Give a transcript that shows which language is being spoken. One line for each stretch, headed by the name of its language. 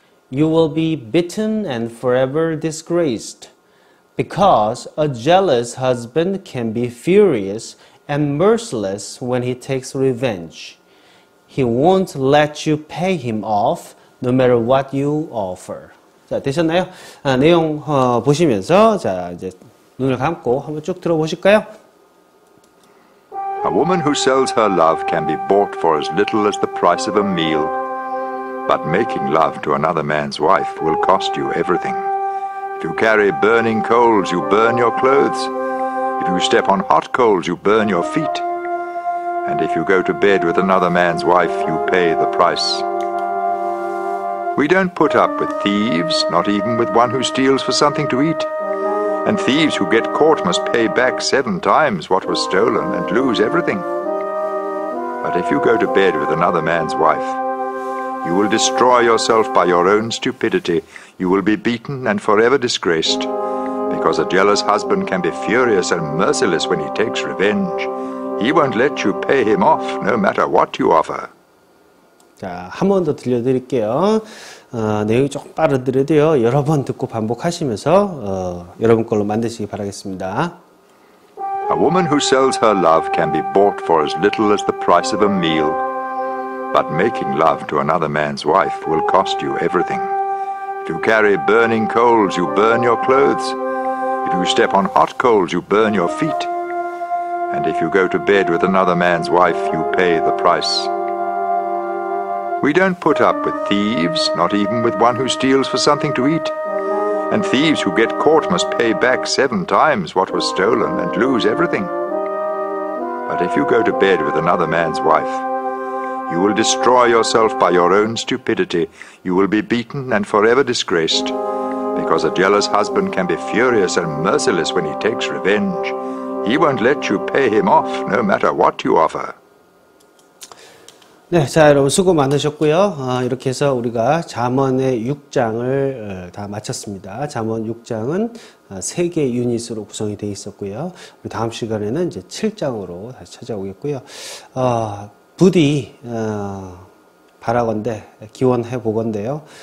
English: You will be beaten and forever disgraced, because a jealous husband can be furious and merciless when he takes revenge. He won't let you pay him off, no matter what you offer.
Korean: 자, 되셨나요? 아, 내용 보시면서 자, 이제 눈을 감고 한번 쭉 들어보실까요?
English: A woman who sells her love can be bought for as little as the price of a meal. But making love to another man's wife will cost you everything. If you carry burning coals, you burn your clothes. If you step on hot coals, you burn your feet. And if you go to bed with another man's wife, you pay the price. We don't put up with thieves, not even with one who steals for something to eat. And thieves who get caught must pay back seven times what was stolen and lose everything. But if you go to bed with another man's wife, you will destroy yourself by your own stupidity. You will be beaten and forever disgraced, because a jealous husband can be furious and merciless when he takes revenge. He won't let you pay him off, no matter what you offer.
Korean: 자, 한 번 더 들려드릴게요. 내용이 조금 빠르더라도요, 여러 번 듣고 반복하시면서 여러분 걸로 만드시기 바라겠습니다.
English: A woman who sells her love can be bought for as little as the price of a meal. But making love to another man's wife will cost you everything. If you carry burning coals, you burn your clothes. If you step on hot coals, you burn your feet. And if you go to bed with another man's wife, you pay the price. We don't put up with thieves, not even with one who steals for something to eat. And thieves who get caught must pay back seven times what was stolen and lose everything. But if you go to bed with another man's wife, you will destroy yourself by your own stupidity. You will be beaten and forever disgraced, because a jealous husband can be furious and merciless when he takes revenge. He won't let you pay him off, no matter what you offer.
Korean: 네, 자, 여러분 수고 많으셨고요. 이렇게 해서 우리가 잠언의 6장을 다 마쳤습니다. 잠언 6장은 3개 유닛으로 구성이 되어 있었고요. 우리 다음 시간에는 이제 7장으로 다시 찾아오겠고요. 부디 바라건대 기원해 보건대요.